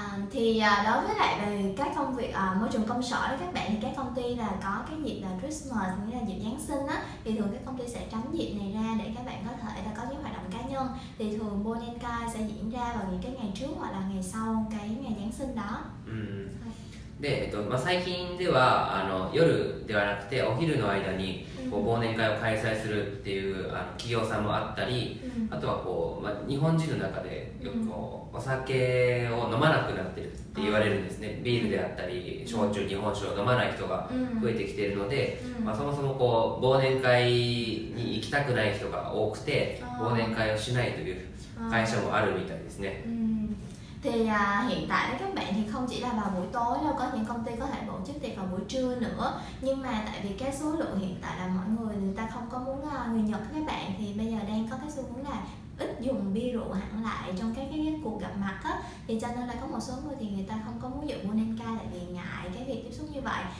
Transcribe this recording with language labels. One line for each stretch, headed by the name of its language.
Vietnamese: Thì đối với lại về các công việc môi trường công sở đó các bạn, thì các công ty là có cái dịp là Christmas, nghĩa là dịp Giáng sinh á, thì thường các công ty sẽ tránh dịp này ra để các bạn có thể là có những hoạt động cá nhân. Thì thường Bonenkai sẽ diễn ra vào những cái ngày trước hoặc là ngày sau cái ngày Giáng sinh đó. Để mà
Japanese: 最近では夜ではなくてお昼の間に忘年会を開催するっていう企業さんもあったり、あとはこう、まあ、日本人の中でよくこうお酒を飲まなくなってるって言われるんですね。ビールであったり焼酎、日本酒を飲まない人が増えてきているので、まあ、そもそもこう忘年会に行きたくない人が多くて忘年会をしないという会社もあるみたいですね。
Vietnamese: Thì hiện tại đó các bạn thì không chỉ là vào buổi tối đâu, có những công ty có thể tổ chức tiệc vào buổi trưa nữa, nhưng mà tại vì cái số lượng hiện tại là mọi người ta không có muốn người Nhật các bạn, thì bây giờ đang có cái xu hướng là ít dùng bia rượu hẳn lại trong các cái cuộc gặp mặt á, thì cho nên là có một số người thì người ta không có muốn dùng Bonenkai tại vì ngại cái việc tiếp xúc như vậy.